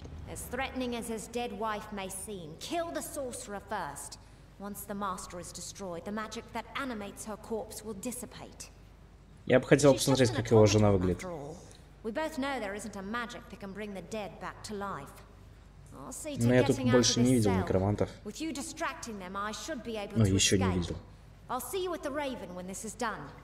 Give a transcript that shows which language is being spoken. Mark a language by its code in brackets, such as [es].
[en] As threatening as his dead wife may seem, kill the sorcerer first. Once the master is destroyed, the magic that animates her corpse will dissipate. [ru] Я бы хотел посмотреть, как его жена выглядит. [en] We both know there isn't a magic that can bring the dead back to life. [ru] Но я тут больше не видел некромантов. Но еще не видел. [en] I'll see you at the Raven when this is done.